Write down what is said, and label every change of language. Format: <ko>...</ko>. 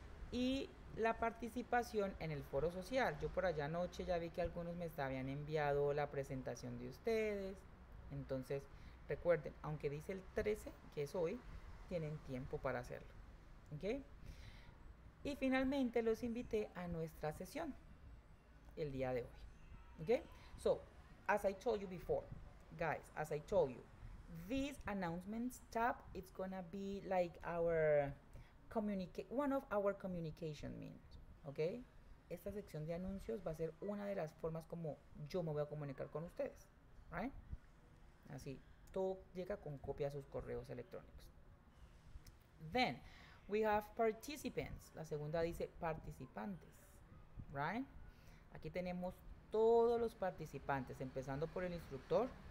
<es>Y la participación en el foro social. Yo por allá anoche ya vi que algunos me habían enviado la presentación de ustedes. Entonces, recuerden, aunque dice el 13, que es hoy, tienen tiempo para hacerlo. ¿Ok? Y finalmente los invité a nuestra sesión el día de hoy. ¿Ok?</es> <en>So, as I told you before, guys, as I told you, this announcements tab is gonna be like our one of our communication means. ¿Ok?</en> <es>Esta sección de anuncios va a ser una de las formas como yo me voy a comunicar con ustedes. ¿Right? Así. Todo llega con copia a sus correos electrónicos.</es> <en>Then, we have participants.</en> <es>La segunda dice participantes. Right? Aquí tenemos todos los participantes, empezando por el instructor.</es>